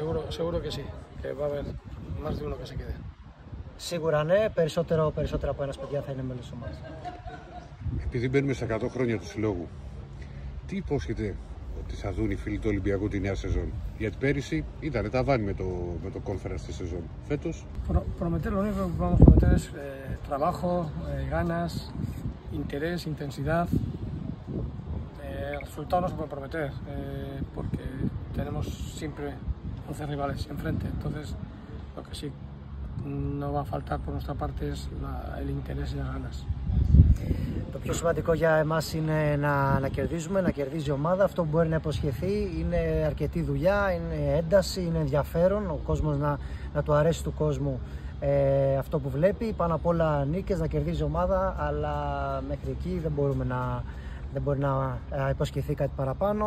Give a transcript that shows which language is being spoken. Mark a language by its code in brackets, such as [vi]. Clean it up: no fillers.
[es] Seguro que sí, que va a haber más de uno que se quede. [el] Σίγουρα ναι, περισσότερο από ένας παιδιά θα είναι μέλος ομάδας. Επειδή μπαίνουμε στα 100 χρόνια του συλλόγου, τι υπόσχεται ότι θα δουν οι φίλοι του Ολυμπιακού τη νέα σεζόν? Γιατί πέρυσι ήταν ταβάνι με το conference στη σεζόν. Φέτος. [es] Prometer lo único que vamos a prometer es trabajo, ganas, interés, intensidad. Resultados no se puede prometer, porque tenemos siempre 11 rivales enfrente. Entonces, lo que sí no va a faltar por nuestra parte es el interés y las ganas. [el] Το πιο σημαντικό για εμάς είναι να κερδίζουμε, να κερδίζει η ομάδα. Αυτό που μπορεί να υποσχεθεί είναι αρκετή δουλειά, είναι ένταση, είναι ενδιαφέρον. Ο κόσμος να του αρέσει του κόσμου αυτό που βλέπει. Πάνω απ' όλα νίκες, να κερδίζει η ομάδα, αλλά μέχρι εκεί δεν μπορεί να υποσχεθεί κάτι παραπάνω.